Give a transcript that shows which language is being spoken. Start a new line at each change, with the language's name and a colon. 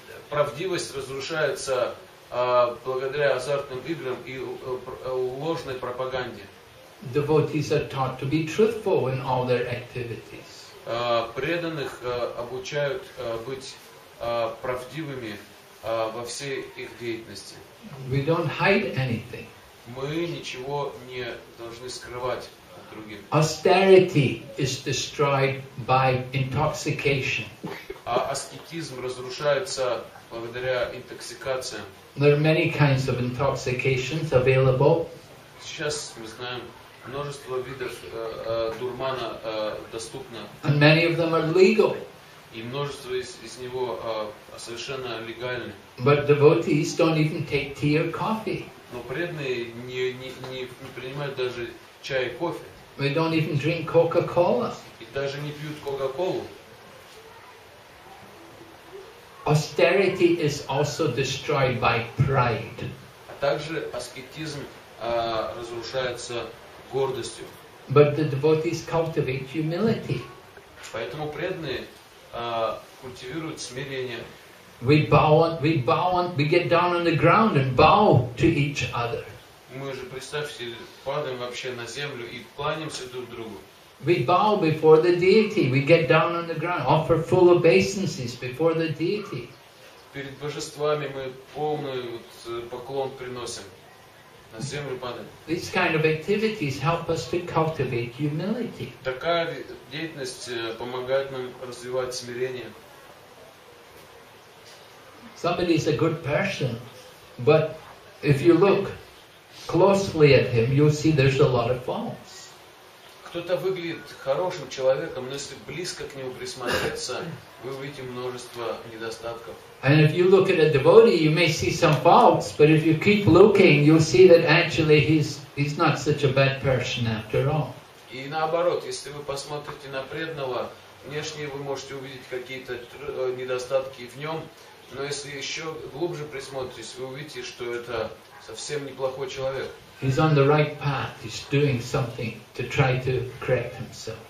Russian: Правдивость разрушается благодаря азартным играм и ложной пропаганде.
English: Devotees are taught to be truthful in all their activities.
Russian: Преданных обучают быть правдивыми во всей их деятельности.
English: We don't hide anything.
Russian: Мы ничего не должны скрывать от других.
English: Austerity is destroyed by intoxication.
Russian: А аскетизм разрушается благодаря интоксикациям.
English: There are many kinds of intoxications available.
Russian: Сейчас мы знаем множество видов дурмана доступно.
English: And many of them are legal.
Russian: И множество из него совершенно легальны.
English: But devotees don't even take tea or coffee.
Russian: Но преданные не принимают даже чай и кофе.
English: They don't even drink Coca-Cola.
Russian: И даже не пьют Coca-Cola.
English: Austerity is also destroyed by pride.
Russian: А также аскетизм разрушается гордостью.
English: But the devotees cultivate humility.
Russian: Поэтому преданные культивируют смирение.
English: We get down on the ground and bow to each other.
Russian: Мы же представьте, падаем вообще на землю и кланяемся друг другу.
English: We bow before the deity. We get down on the ground, offer full obeisances before the deity.
Russian: Перед божествами мы полный поклон приносим. На землю падаем.
English: These kind of activities help us to cultivate humility.
Russian: Такая деятельность помогает нам развивать смирение.
English: Somebody is a good person, but if you look closely at him, you'll see there's a lot of faults.
Russian: Кто-то выглядит хорошим человеком, но если близко к нему присмотреться, вы увидите множество недостатков.
English: And if you look at a devotee, you may see some faults, but if you keep looking, you'll see that actually he's not such a bad person after all.
Russian: И наоборот, если вы посмотрите на преданного, внешне вы можете увидеть какие-то недостатки в нем, но если еще глубже присмотритесь, вы увидите, что это совсем неплохой человек.
English: He's on the right path. He's doing something to try to correct himself.